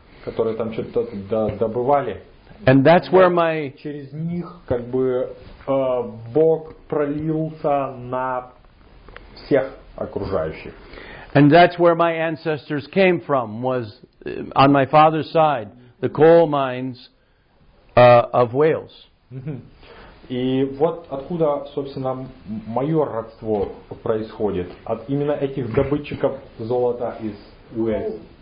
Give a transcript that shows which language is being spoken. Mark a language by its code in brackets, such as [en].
[ru] которые там что-то добывали. [en] And that's where my [ru] через них как бы Бог пролился на всех окружающих. [en] And that's where my ancestors came from, was on my father's side, the coal mines of Wales. [ru] И вот откуда, собственно, мое родство происходит, от именно этих добытчиков золота из Уэльса.